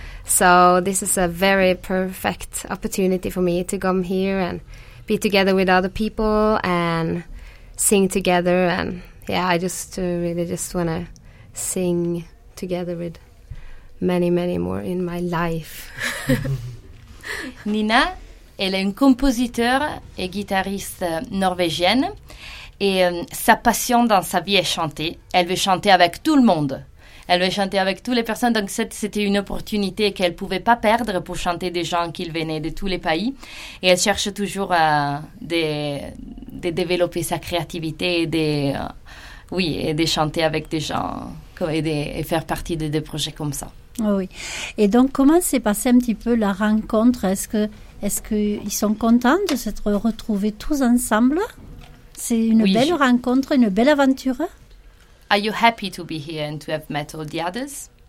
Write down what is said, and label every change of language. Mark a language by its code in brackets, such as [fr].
[en] So this is a very perfect opportunity for me to come here and be together with other people and sing together. And yeah, I just really just want to sing together with many, many more in my life. [fr] Nina, elle est une compositeur et guitariste norvégienne, et sa passion dans sa vie est chanter. Elle veut chanter avec tout le monde. Elle veut chanter avec toutes les personnes, donc c'était une opportunité qu'elle ne pouvait pas perdre pour chanter des gens qui venaient de tous les pays. Et elle cherche toujours de développer sa créativité et de chanter avec des gens et faire partie de des projets comme ça. Oui. Et donc, comment s'est passée un petit peu la rencontre? Est-ce qu'ils sont contents de s'être retrouvés tous ensemble? C'est une belle rencontre, une belle aventure. [en] Are you happy to be here and to have met all the others?